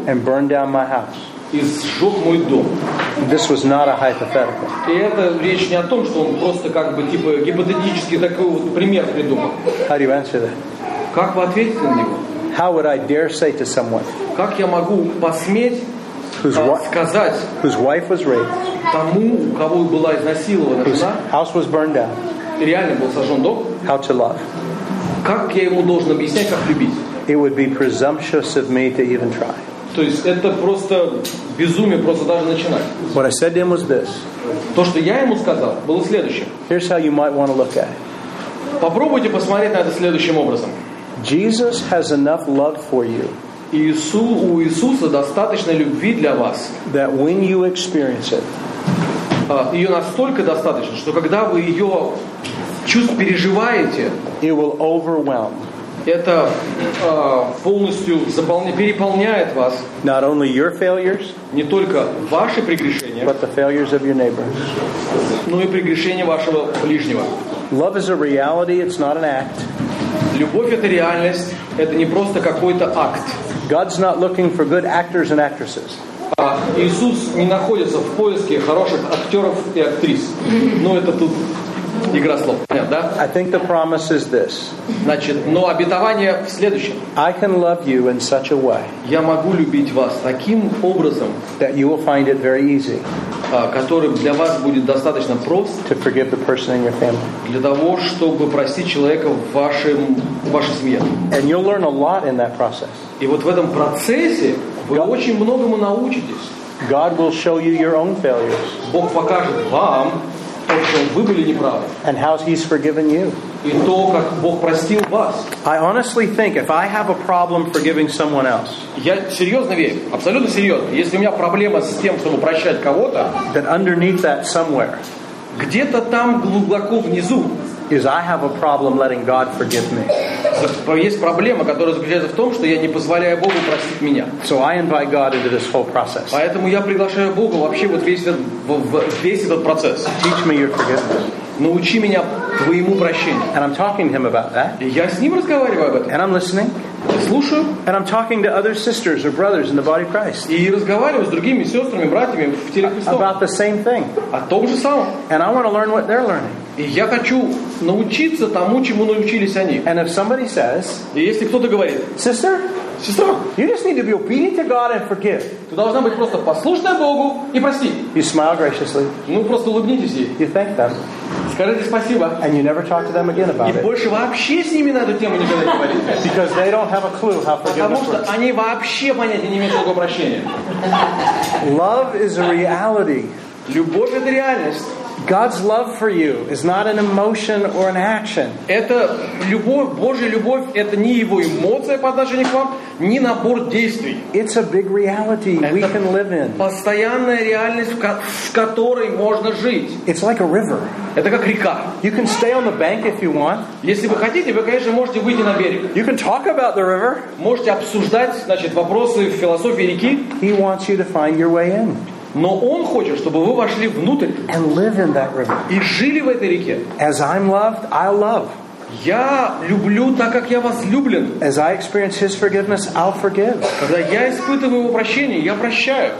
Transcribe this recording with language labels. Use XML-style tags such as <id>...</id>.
<en>And burned down my house.</en> <ru>И сжег мой дом.</ru> <en>This was not a hypothetical.</en> <ru>И это речь не о том, что он просто как бы типа гипотетически такой вот пример придумал.</ru> <en>How do you answer that?</en> <ru>Как вы ответите на него?</ru> <en>How would I dare say to someone?</en> <ru>Как я могу посметь сказать?</ru> <en>Whose wife was raped?</en> <ru>Тому, у кого была изнасилована жена?</ru> <en>House was burned down.</en> <ru>Реально был сожжен дом?</ru> <en>How to love?</en> <ru>Как я ему должен объяснять, как любить?</ru> <en>It would be presumptuous of me to even try.</en> <ru>То есть это просто безумие просто даже начинать.</ru> <en>What I said to him was this.</en> <ru>То, что я ему сказал, было следующее.</ru> <en>Here's how you might want to look at it.</en> <ru>Попробуйте посмотреть на это следующим образом.</ru> <en>Jesus has enough love for you.</en> <ru>У Иисуса достаточно любви для вас.</ru> <en>That when you experience it.</en> <ru>Ее настолько достаточно, что когда вы ее чувств переживаете,</ru> <en>it will overwhelm.</en> <ru>Это полностью переполняет вас.</ru> <en>Not only your failures,</en> <ru>не только ваши прегрешения,</ru> <en>but the failures of your neighbors.</en> <ru>Но и прегрешения вашего ближнего.</ru> <en>Love is a reality, it's not an act.</en> <ru>Любовь — это реальность, это не просто какой-то акт.</ru> <en>God's not looking for good actors and actresses.</en> <ru>Иисус не находится в поиске хороших актеров и актрис. Но это тут игра слов. Нет, да?</ru> <en>I think the promise is this.</en> <ru>Значит, но обетование в следующем.</ru> <en>I can love you in such a way.</en> <ru>Я могу любить вас таким образом,</ru> <en>that you will find it very easy.</en> <ru>Который для вас будет достаточно прост.</ru> <en>To forgive the person in your family.</en> <ru>Для того, чтобы простить человека в вашей семье.</ru> <en>And you'll learn a lot in that process.</en> <ru>И вот в этом процессе вы очень многому научитесь.</ru> <en>God will show you your own failures.</en> <ru>Бог покажет вам то, что вы были неправы.</ru> <en>And how he's forgiven you.</en> <ru>И то, как Бог простил вас.</ru> <en>I honestly think if I have a problem forgiving someone else.</en> <ru>Я серьезно верю, абсолютно серьезно. Если у меня проблема с тем, чтобы прощать кого-то,</ru> <en>then underneath that somewhere.</en> <ru>Где-то там глубоко внизу.</ru> <en>Is I have a problem letting God forgive me.</en> <ru>Есть проблема, которая заключается в том, что я не позволяю Богу простить меня.</ru> <en>So I invite God into this whole process.</en> <ru>Поэтому я приглашаю Бога вообще вот весь этот процесс.</ru> <en>Teach me your forgiveness.</en> <ru>Научи меня твоему прощению.</ru> <en>And I'm talking to him about that.</en> <ru>И я с ним разговариваю об этом.</ru> <en>And I'm listening.</en> <ru>Слушаю.</ru> <en>And I'm talking to other sisters or brothers in the body of Christ.</en> <ru>И разговариваю с другими сестрами, братьями в теле Христа.</ru> <en>About the same thing.</en> <ru>О том же самом.</ru> <en>And I want to learn what they're learning.</en> <ru>И я хочу научиться тому, чему научились они.</ru> <en>And if somebody says,</en> <ru>и если кто-то говорит,</ru> <en>sister,</en> <ru>сестра,</ru> <en>you just need to be obedient to God and forgive.</en> <ru>Ты должна быть просто послушной Богу и прости.</ru> <en>You smile graciously.</en> <ru>Ну просто улыбнитесь ей.</ru> <en>You thank them.</en> <ru>Скажите спасибо.</ru> <en>And you never talk to them again about</en> <ru>it. И больше вообще с ними на эту тему не говорить.</ru> <en>Because they don't have a clue how forgiveness</en> <ru>Потому что они вообще понятия не имеют о Боге прощения.</ru> <en>Love is a reality.</en> <ru>Любовь — это реальность.</ru> <en>God's love for you is not an emotion or an action.</en> <ru>Это любовь, Божья любовь, это не его эмоция по отношению к вам, не набор действий.</ru> <en>It's a big reality we can live in.</en> <ru>Постоянная реальность, в которой можно жить.</ru> <en>It's like a river.</en> <ru>Это как река.</ru> <en>You can stay on the bank if you want.</en> <ru>Если вы хотите, вы, конечно, можете выйти на берег.</ru> <en>You can talk about the river.</en> <ru>Можете обсуждать, значит, вопросы философии реки.</ru> <en>He wants you to find your way in.</en> <ru>Но Он хочет, чтобы вы вошли внутрь</ru> <en>and live in that river.</en> <ru>И жили в этой реке.</ru> <en>As I'm loved, I'll love.</en> <ru>Я люблю так, как я возлюблен.</ru> <en>As I experience His forgiveness, I'll forgive.</en> <ru>Когда я испытываю Его прощение, я прощаю.</ru>